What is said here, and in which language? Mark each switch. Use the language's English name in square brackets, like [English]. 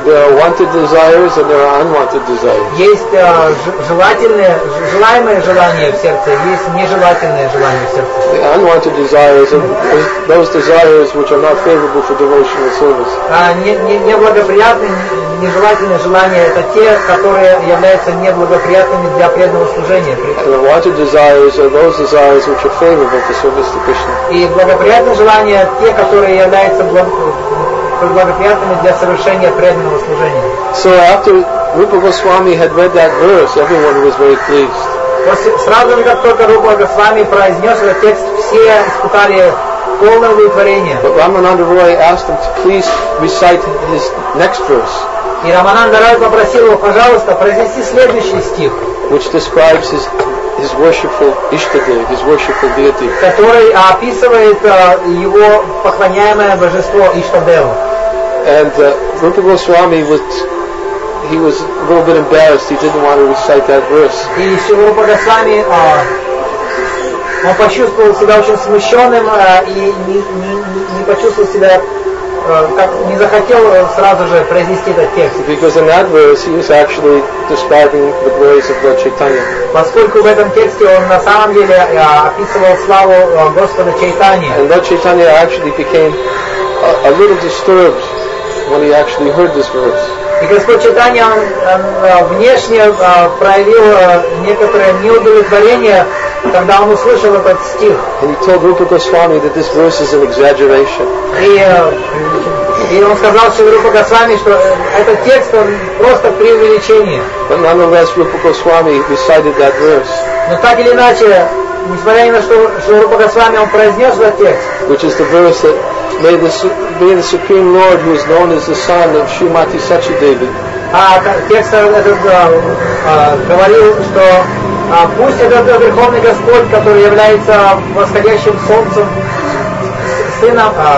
[English] There are wanted desires and there are unwanted desires. [Russian] Есть желательные, желаемые желания в сердце, есть нежелательные желания в сердце. [English] The unwanted desires are those desires which are not favorable for devotional service. [Russian] Неблагоприятные, нежелательные желания – это те, которые являются неблагоприятными для преданного служения. [English] And the unwanted desires are those desires which are favorable for service to Krishna. [Russian] И благоприятные желания – те, которые являются благоприятными для совершения преданного служения. [English] So after Rupa Goswami had read that verse, everyone was very pleased. [Russian] После, сразу же, как только Рупа Госвами произнес этот текст, все испытали полное удовлетворение. [English] But Рамананда Рой asked him to please recite his next verse. [Russian] И Рамананда Рой попросил его, пожалуйста, произнести следующий стих, [English] which describes his worshipful Ishtadev, his worshipful deity. [Russian] Который описывает его поклоняемое божество Иштадева. [English] And Rupa Goswami was a little bit embarrassed. He didn't want to recite that verse. [Russian] И Рупа Госвами он почувствовал себя очень смущенным и не почувствовал себя как, не захотел сразу же произнести этот текст. [English] Because in that verse he was actually describing the glories of Lord Chaitanya. [Russian] Поскольку в этом тексте он на самом деле описывал славу Господа Чайтани. [English] And Lord Chaitanya actually became a little disturbed when he actually heard this verse. [Russian] И Господь Чайтани внешне проявил некоторое неудовлетворение, когда он услышал этот стих. [English] And he told Rupa Goswami that this verse is an exaggeration. [Russian] И он сказал Шри Рупа Госвами, что этот текст он просто преувеличение. [English] But nonetheless, Rupa Goswami recited that verse. [Russian] Но так или иначе, несмотря на то, что Рупа Госвами он произнес этот текст. [English] Which is the verse that may the Supreme Lord, who is known as the son of Srimati Sachidevi. [Russian] Текст этот говорил, что пусть этот Верховный Господь, который является восходящим солнцем, сыном...